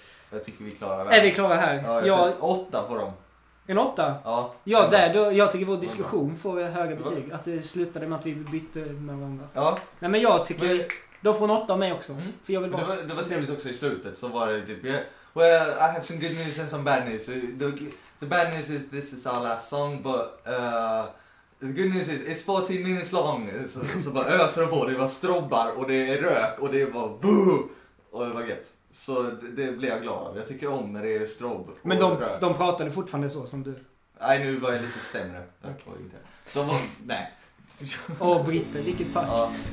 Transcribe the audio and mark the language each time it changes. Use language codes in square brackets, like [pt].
[sv] Jag tycker vi klarar det. Är vi klara här? Ja, jag 8 på dem. En 8? Ja. Ja, där, då, jag tycker vår diskussion får höga betyg. Att det slutade med att vi bytte med varandra. Ja. Nej, men jag tycker... Då får en 8 av mig också. Mm. För jag vill vara... Det var trevligt också i slutet. Så var det typ... [en] Well, I have some good news and some bad news. The bad news is this is our last song, but the good news is it's 14 minutes long. [sv] Så bara öser de på, det var strobbar och det är rök och det var boo! Och det var gött. Så det blev jag glad av. Jag tycker om när det är strobb och men de, rök. Men de pratade fortfarande så som du? Nej, nu var jag lite sämre. Okay. De var, nej. Åh, Britta, vilket fack. Ja.